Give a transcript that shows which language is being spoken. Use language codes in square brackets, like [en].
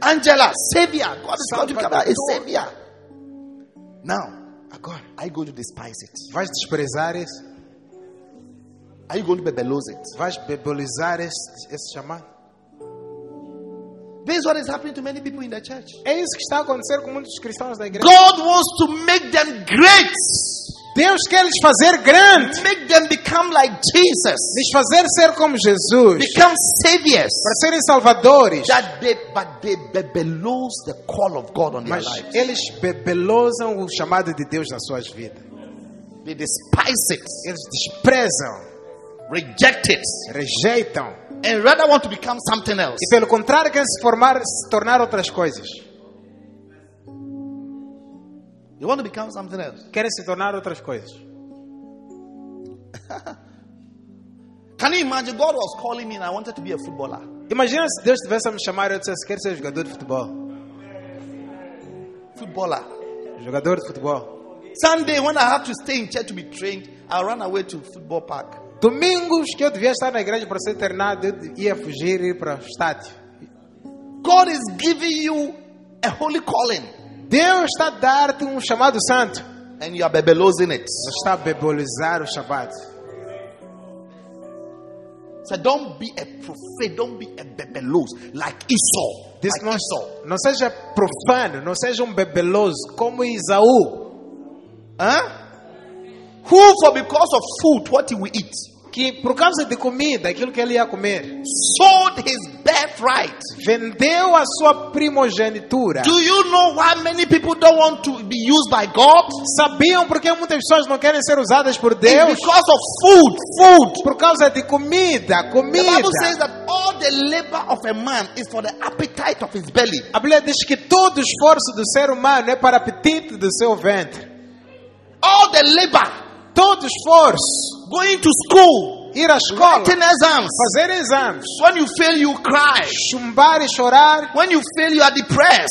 [en] Angela, savior. God has called you to become a savior. Now, [pt] agora, [en] are you going to despise it? [pt] Vais desprezar isso? [en] Are you going to bebelose it? [pt] Vais bebelizar esse chamado? [en] This is what is happening to many people in the church. [pt] É isso que está a acontecer com muitos cristãos da igreja. [en] God wants to make them great. [pt] Deus quer lhes fazer grande. [en] Make them become like Jesus. [pt] Lhes fazer ser como Jesus. [en] Become saviors. [pt] Para serem salvadores. [en] That they bebelose the call of God on [pt] Mas [en] their lives. [pt] Eles bebelosam o chamado de Deus nas suas vidas. [en] They despise it. [pt] Eles desprezam. [en] Reject it. [pt] Rejeitam. [en] And rather want to become something else. [pt] E pelo contrário, quer se tornar outras coisas. [en] You want to become something else. [pt] Quer se tornar outras coisas. [en] Can you imagine God was calling me and I wanted to be a footballer? [pt] Imagina se Deus tivesse a me chamar e eu dissesse, quero ser jogador de futebol. [en] Footballer. [pt] Jogador de futebol. [en] Sunday when I have to stay in church to be trained, I'll run away to football park. [pt] Domingos que eu devia estar na igreja para ser internado, eu ia fugir e ir para o estádio. [en] God is giving you a holy calling. [pt] Deus está a dar-te um chamado santo. [en] And you are bebelosing it. [pt] Você está a bebelizar o chamado. [en] So don't be a prophet, don't be a bebelose like Esau. This like not, Esau. [pt] Não seja profano, não seja bebelose como Esaú. Hã? [en] Who for because of food what he will eat? [pt] Que por causa de comida aquilo que ele ia comer. [en] Sold his birthright. [pt] Vendeu a sua primogenitura. [en] Do you know why many people don't want to be used by God? [pt] Sabiam porque muitas pessoas não querem ser usadas por Deus? [en] It's because of food. Food. [pt] Por causa de comida. Comida. [en] The Bible says that all the labor of a man is for the appetite of his belly. [pt] A Bíblia diz que todo o esforço do ser humano é para o apetite do seu ventre. [en] All the labor, [pt] todo esforço, [en] going to school, [pt] ir à escola, [en] writing exams, [pt] fazer exames. [en] When you fail, you cry. [pt] Chumbar e chorar. [en] When you fail, you are depressed.